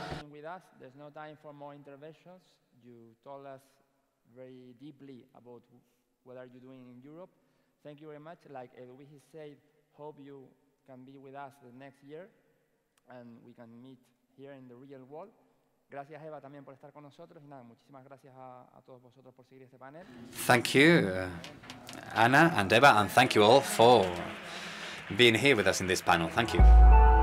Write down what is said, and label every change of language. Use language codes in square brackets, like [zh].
[en] With us, there's no time for more interventions. You told us very deeply about what are you doing in Europe. Thank you very much. Like Eduvigis said, hope you can be with us the next year and we can meet here in the real world. [es] Gracias, Eva, también por estar con nosotros. Y nada, muchísimas gracias a todos vosotros por seguir este panel. [en] Thank you, Anna and Eva, and thank you all for being here with us in this panel. Thank you.